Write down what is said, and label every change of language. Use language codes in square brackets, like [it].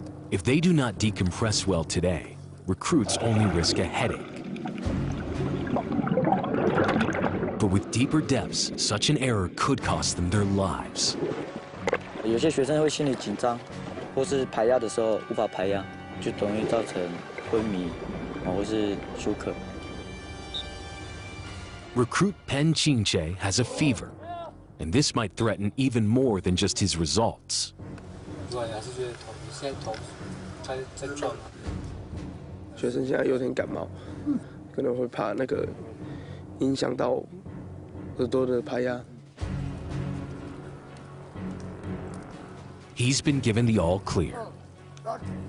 [en] If they do not decompress well today, recruits only risk a headache. But with deeper depths, such an error could cost them their lives. [zh] 有些学生会心理紧张，或是排压的时候无法排压，就容易造成昏迷，或是休克。 [en] Recruit Pen Qingche has a fever, and this might threaten even more than just his results. [zh] 学生现在有点感冒，可能会怕那个影响到耳朵的排压。 [en] He's been given the all clear. Start.